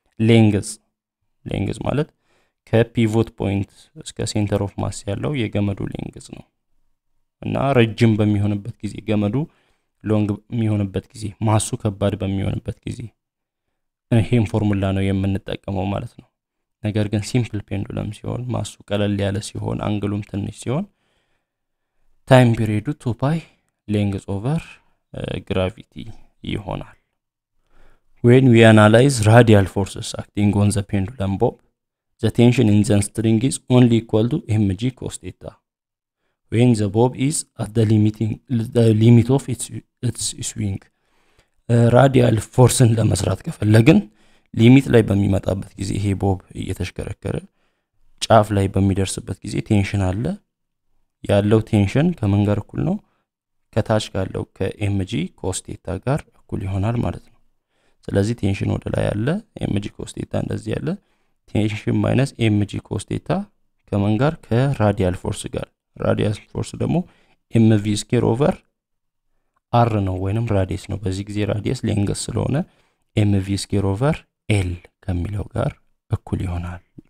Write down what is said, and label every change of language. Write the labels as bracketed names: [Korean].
[Amharic] ሌንግዝ። ሌንግዝ ማለት ከፒቮት ፖይንት እስከ ሴንተር ኦፍ ማስ ያለው የገመዱ ሌንግዝ ነው። እና ረጅም በሚሆንበት ጊዜ ገመዱ ሎንግ በሚሆንበት ጊዜ ማሱ ከባድ በሚሆንበት ጊዜ ይሄን ፎርሙላ ነው የምንጠቀመው ማለት ነው። ነገር ግን ሲምፕል ፔንዱለም ሲሆን ማሱ ቀለል ያለ ሲሆን አንግሉም ትንሽ ሲሆን [English] time period 2 pi length over gravity ይሆናል። when we analyze radial forces acting on the pendulum bob the tension in the string is only equal to mg cos theta when the bob is at the limiting the limit of its swing. [Amharic] Radial forceን ለመስራት ከፈለግን limit ላይ በሚመጣበት ጊዜ ይሄ bob እየተሽከረከረ ጫፍ ላይ በሚደርስበት ጊዜ tension አለ ያለው tension ከምን ጋር እኩል ነው ከታች ጋርለው ከmg cos theta ጋር እኩል ይሆናል ማለት ነው ስለዚህ tension ወደ ላይ አለ mg cos theta እንደዚህ አለ tension minus mg cos theta ከምን ጋር ከradial force ጋር radial force ደግሞ mv square over r ነው ወይንም radius ነው በዚህ ጊዜ radius length ስለሆነ mv square over l ከሚለው ጋር እኩል ይሆናል